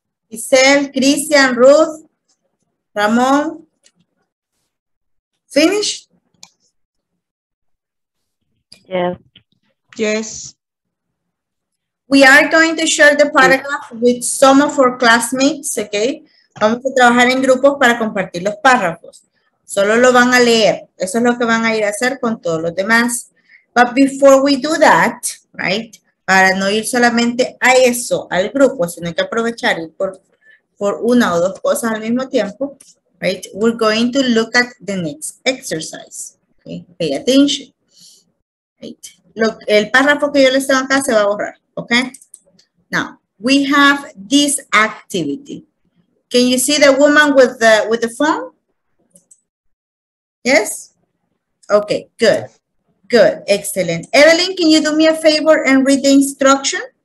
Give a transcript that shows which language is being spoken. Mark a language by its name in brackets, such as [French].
[English] Giselle, Christian, Ruth, Ramón. Finish? Yes. Yes. We are going to share the paragraph with some of our classmates, okay? [Spanish] Vamos a trabajar en grupos para compartir los párrafos. Solo lo van a leer. Eso es lo que van a ir a hacer con todos los demás. [English] But before we do that, right? [Spanish] Para no ir solamente a eso, al grupo, sino que aprovechar ir por una o dos cosas al mismo tiempo, right? [English] We're going to look at the next exercise. Okay? Pay attention. Right? [Spanish] El párrafo que yo les tengo acá se va a borrar. [English] Okay? Now, we have this activity. Can you see the woman with the phone? Yes? Okay, good. Good, excellent. Evelyn, can you do me a favor and read the instruction?